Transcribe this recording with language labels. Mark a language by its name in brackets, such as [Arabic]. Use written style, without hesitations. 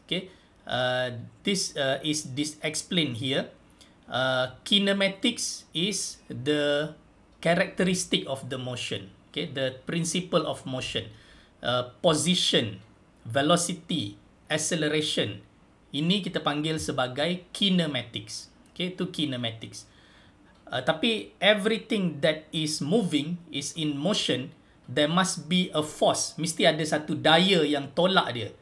[English] Okay, this is explained here. Kinematics is the characteristic of the motion. Okay, the principle of motion. Position, velocity, acceleration. [Malay] Ini kita panggil sebagai kinematics. Okay, itu kinematics. [English] Tapi everything that is moving is in motion, there must be a force. [Malay] Mesti ada satu daya yang tolak dia.